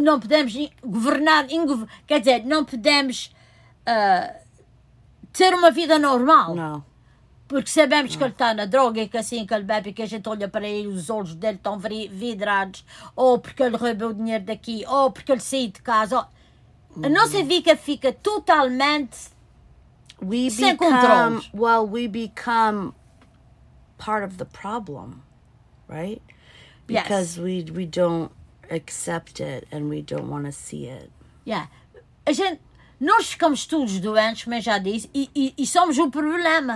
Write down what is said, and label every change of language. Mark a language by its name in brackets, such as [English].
[Portuguese] Não podemos governar, quer dizer, não podemos ter uma vida normal. Não. Porque sabemos, não, que ele está na droga e que assim que ele bebe, que a gente olha para ele, os olhos dele estão vidrados, ou porque ele roubou o dinheiro daqui, ou porque ele saiu de casa. Uhum. A nossa vida fica totalmente. [English] We become, well, we become part of the problem, right? Because, yes, we don't accept it and we don't want to see it. Yeah. [Portuguese] A gente, nós ficamos todos doentes, como eu já disse, e somos o problema.